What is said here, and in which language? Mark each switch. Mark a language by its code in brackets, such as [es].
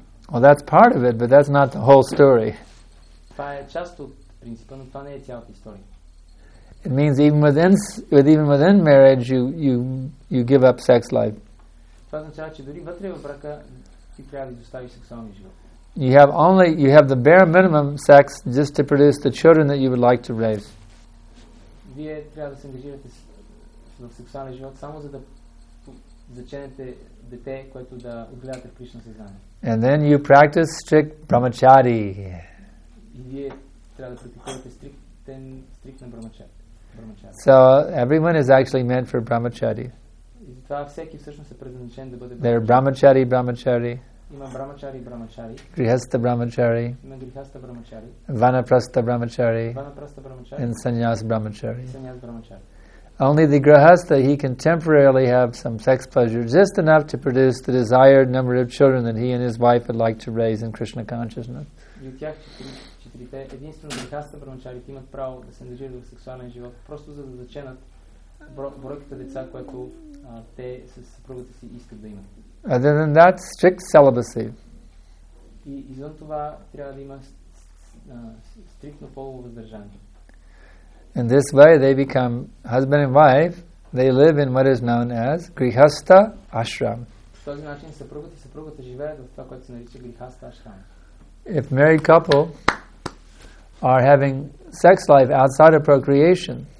[en] Well, that's part of it, but that's not the whole story. [bg] Това е част от принципа, но това не е цялата история. [en] It means even within marriage you give up sex life. [bg] Това означава, че дори вътре в брака ти трябва да изоставиш сексуалния живот. [en] You have the bare minimum sex just to produce the children that you would like to raise. [bg] Вие трябва да се ангажирате в сексуалния живот само за да заченете дете, което да отгледате в Кришна съзнание. [en] And then you practice strict brahmachari. [bg] Вие трябва да практикувате стриктен брамачари. [en] So everyone is actually meant for brahmachari. [bg] Затова всеки всъщност е предназначен да бъде. [en] There are brahmachari, brahmachari. [bg] Има брамачари, брамачари. [en] Грихаста брамачари. [bg] Има грихаста брамачари. [en] Ванапраста брамачари. [bg] Ванапраста брамачари. [en] And саньяс брамачари. [bg] Саньяс брамачари. [en] Only the grihastha, he can temporarily have some sex pleasure, just enough to produce the desired number of children that he and his wife would like to raise in Krishna consciousness. [bg] И от тях четирите, единствено грихастха брамачарите имат право да се ангажират в сексуален живот, просто за да заченат бройката деца, което те със съпругата си искат да имат. [en] Other than that, strict celibacy. [bg] И извън това трябва да има стриктно полово въздържание. [en] In this way, they become husband and wife. They live in what is known as Grihastha Ashram. [bg] В този начин съпругът и съпругата живеят в това, което се нарича Grihastha Ashram. [en] If married couple are having sex life outside of procreation,